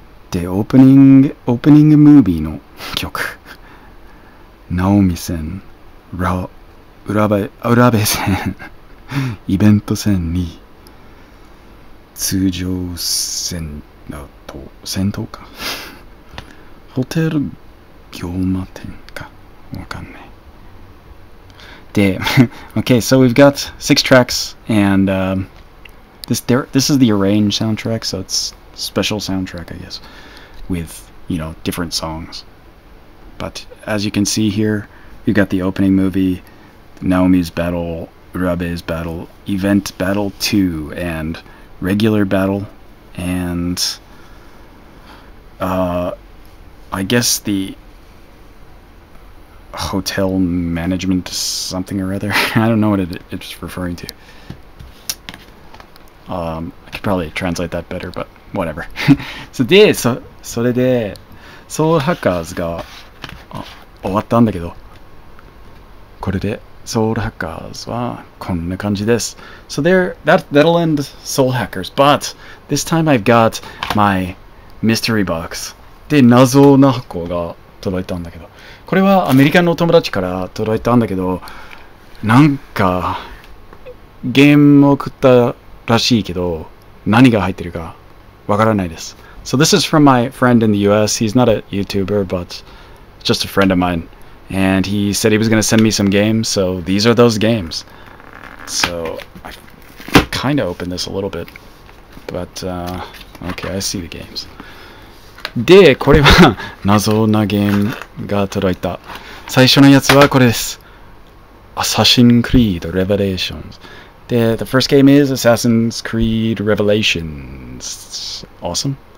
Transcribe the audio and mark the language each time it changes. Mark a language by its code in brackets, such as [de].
[ja] で、オープニングムービーの曲、ナオミ戦、浦部戦、イベント戦に通常戦だと戦闘か、ホテル業務店か、わかんない。 [en] Okay, so we've got 6 tracks, and this is the arranged soundtrack, so it's special soundtrack, I guess, with, you know, different songs. But as you can see here, we've got the opening movie, Naomi's Battle, Urabe's Battle, Event Battle 2, and Regular Battle, and I guess the... Hotel management something or other. I don't know what it's referring to. I could probably translate that better, but whatever. So [ja] で、それで、ソウルハッカーズが終わったんだけど、これでソウルハッカーズはこんな感じです。 [en] So there, that'll end Soul Hackers. But this time I've got my mystery box. [ja] で、謎な箱が届いたんだけど。これはアメリカの友達から届いたんだけど、なんかゲームを送ったらしいけど、何が入ってるかわからないです。 [en] So this is from my friend in the US. He's not a YouTuber, but just a friend of mine. And he said he was going to send me some games, so these are those games. So I kind of opened this a little bit, but okay, I see the games. [ja] で、これは謎なゲームが届いた。最初のやつはこれです。 Assassin's Creed Revelations。 で、 [en] The first game is Assassin's Creed Revelations. Awesome.